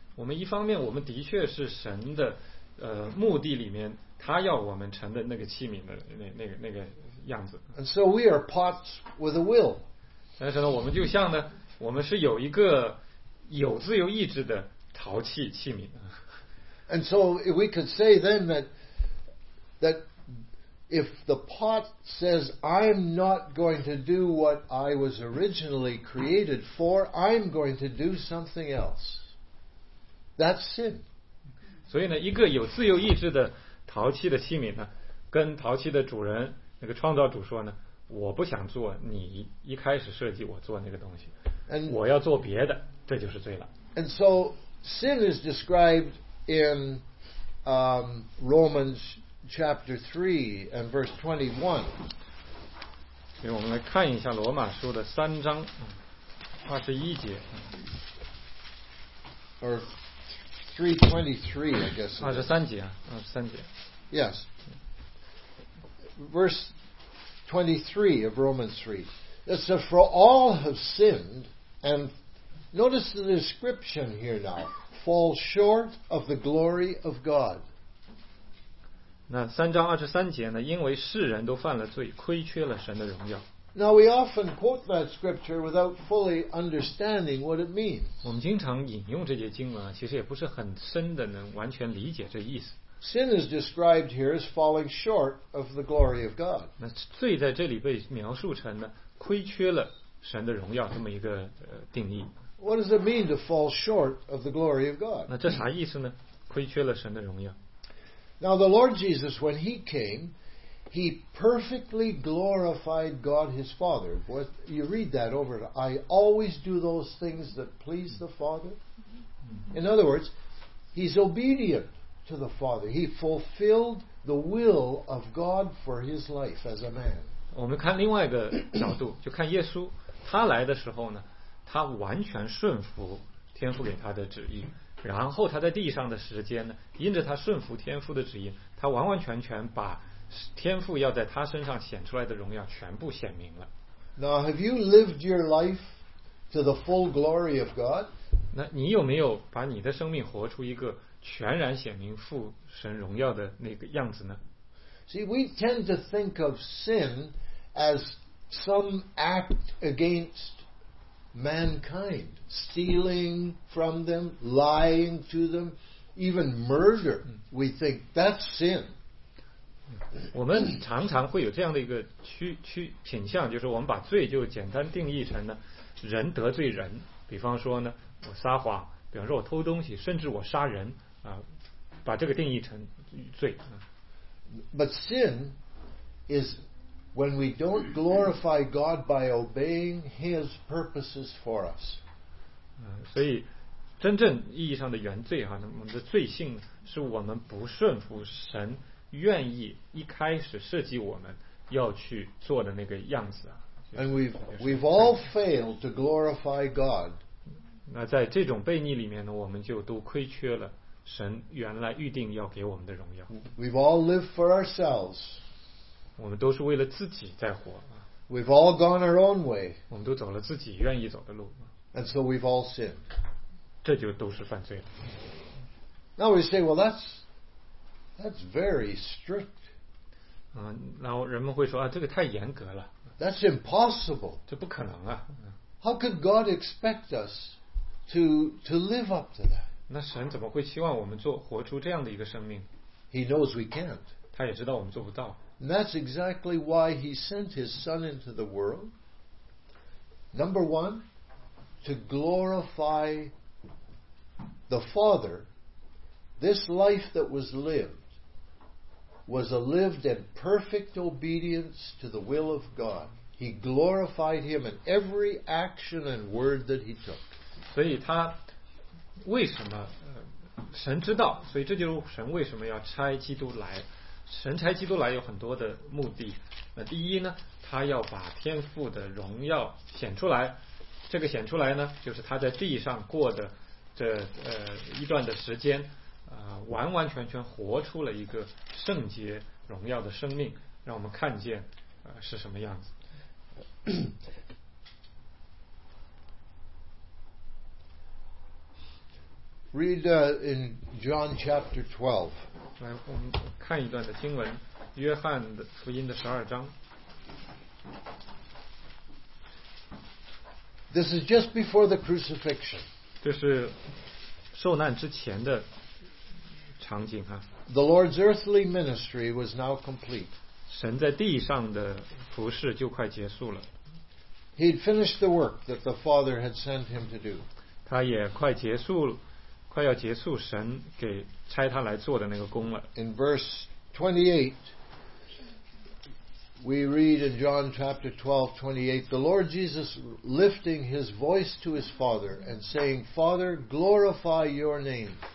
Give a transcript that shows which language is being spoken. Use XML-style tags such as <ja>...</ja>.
<zh>我们一方面，我们的确是神的目的里面他要我们成的那个器皿的那个样子。</zh> <en>And so we are pots with a will.</en> <zh>但是呢，我们就像呢，我们是有一个有自由意志的陶器器皿。</zh> <en>And so we could say then that if the pot says, I'm not going to do what I was originally created for, I'm going to do something else. That's sin.</en> <zh>所以呢，一个有自由意志的陶器的器皿呢，跟陶器的主人，那个创造主说呢，我不想做你一开始设计我做那个东西，我要做别的，这就是罪了。</zh> <en>And so sin is described in Romans chapter 3 and verse 21.</en> <zh>给我们来看一下罗马书的三章二十一节。</zh> <en>Or 323, I guess.</en> <zh>二十三节啊，二十三节。</zh> <en>Yes. Verse 23 of Romans 3. It says, for all have sinned, and notice the description here now, fall short of the glory of God.</en> <zh>那三章二十三节呢，因为世人都犯了罪，亏缺了神的荣耀。</zh> <en>Now we often quote that scripture without fully understanding what it means.</en> <zh>我们经常引用这节经文啊，其实也不是很深的能完全理解这意思。</zh> <en>Sin is described here as falling short of the glory of God.</en> <zh>那罪在这里被描述成呢，亏缺了神的荣耀这么一个定义。</zh> <en>What does it mean to fall short of the glory of God?</en> <zh>那这啥意思呢？亏缺了神的荣耀。</zh> <en>Now the Lord Jesus, when He came, He perfectly glorified God His Father. What you read that over? I always do those things that please the Father. In other words, He's obedient to the Father. He fulfilled the will of God for his life as a man.</en> <zh>我们看另外一个角度，就看耶稣，他来的时候呢，他完全顺服天父给他的旨意，然后他在地上的时间呢，因着他顺服天父的旨意，他完完全全把天父要在他身上显出来的荣耀全部显明了。</zh> <en>Now, have you lived your life to the full glory of God?</en> <zh>那你有没有把你的生命活出一个全然显明父神荣耀的那个样子呢？</zh> <en>See, we tend to think of sin as some act against mankind, stealing from them, lying to them, even murder. We think that's sin.</en> <zh>我们常常会有这样的一个品相，就是我们把罪就简单定义成呢，人得罪人，比方说呢，我撒谎，比方说我偷东西，甚至我杀人。把这个定义成罪。</zh> <en>But sin is when we don't glorify God by obeying His purposes for us.</en> <zh>所以真正意义上的原罪哈，我们的罪性是我们不顺服神愿意一开始设计我们要去做的那个样子啊。</zh> <en>And we've all failed to glorify God.</en> <zh>那在这种悖逆里面呢，我们就都亏缺了神原来预定要给我们的荣耀。</zh> <en>We've all lived for ourselves.</en> <zh>我们都是为了自己在活。</zh> <en>We've all gone our own way.</en> <zh>我们都走了自己愿意走的路。</zh> <en>And so we've all sinned.</en> <zh>这就都是犯罪了。</zh> <en>Now we say, well, that's very strict.</en> <zh>然后人们会说啊，这个太严格了。</zh> <en>That's impossible.</en> <zh>这不可能啊。</zh> <en>How could God expect us to live up to that?</en> <zh>那神怎么会期望我们做活出这样的一个生命？</zh> <en>He knows we can't.</en> <zh>他也知道我们做不到。</zh> <en>And that's exactly why He sent His Son into the world. Number one, to glorify the Father This life that was lived was a lived and perfect obedience to the will of God. He glorified Him in every action and word that He took.</en> <zh>所以他为什么神知道，所以这就是神为什么要差基督来。神差基督来有很多的目的，那第一呢，他要把天父的荣耀显出来，这个显出来呢，就是他在地上过的这一段的时间，完完全全活出了一个圣洁荣耀的生命，让我们看见是什么样子。</zh> <en>Read in John chapter 12.</en> <zh>来，我们看一段的经文，约翰的福音的十二章。</zh> <en>This is just before the crucifixion.</en> <zh>这是受难之前的场景哈。</zh> <en>The Lord's earthly ministry was now complete.</en> <zh>神在地上的服事就快结束了。</zh> <en>He had finished the work that the Father had sent him to do.</en> <zh>他也快结束了。快要结束神给差他来做的那个工了。</zh> <en>In verse 28, we read in John chapter 12:28, the Lord Jesus lifting his voice to his Father and saying, Father, glorify your name.</en>